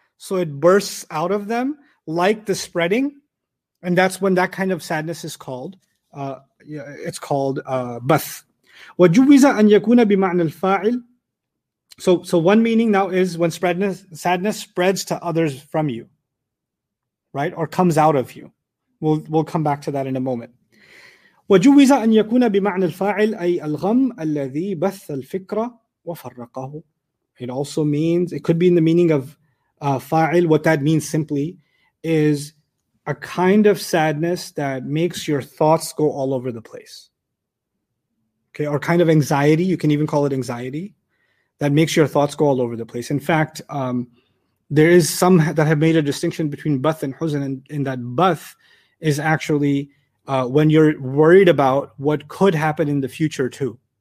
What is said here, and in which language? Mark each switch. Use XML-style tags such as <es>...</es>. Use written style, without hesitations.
<en>So it bursts out of them. Like the spreading, and that's when that kind of sadness is called. It's called bath.</en> <ar>وَجُوِّزَ أَن يَكُونَ بِمَعْنَى الْفَاعِلِ.</ar> <en>So one meaning now is when sadness spreads to others from you, right? Or comes out of you. We'll come back to that in a moment.</en> <ar>وَجُوِّزَ أَن يَكُونَ بِمَعْنَى الْفَاعِلِ أي الغم الذي بث الفكرة وفرقه.</ar> <en>It also means, it could be in the meaning of fa'il, what that means simply, is a kind of sadness that makes your thoughts go all over the place. Okay, or kind of anxiety, you can even call it anxiety, that makes your thoughts go all over the place. In fact, there is some that have made a distinction between bath and huzn, and in that bath is actually when you're worried about what could happen in the future too.</en>